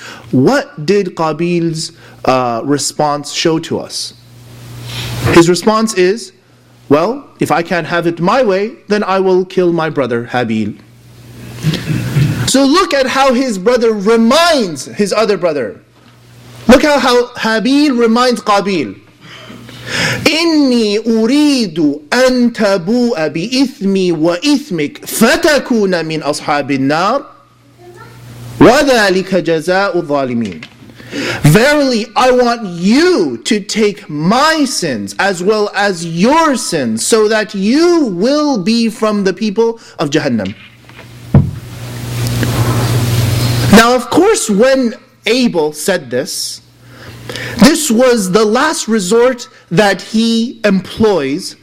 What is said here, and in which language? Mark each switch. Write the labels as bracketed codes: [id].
[en] What did Qabil's response show to us? His response is, well, if I can't have it my way, then I will kill my brother Habil. So look at how his brother reminds his other brother. Look at how Habil reminds Qabil. [ar] إني أريد أن تبوء بإثمي وإثمك فتكون من أصحاب النار وذلك جزاء الظالمين. [en] Verily, I want you to take my sins as well as your sins so that you will be from the people of Jahannam. Now, of course, when Abel said this, this was the last resort that he employs.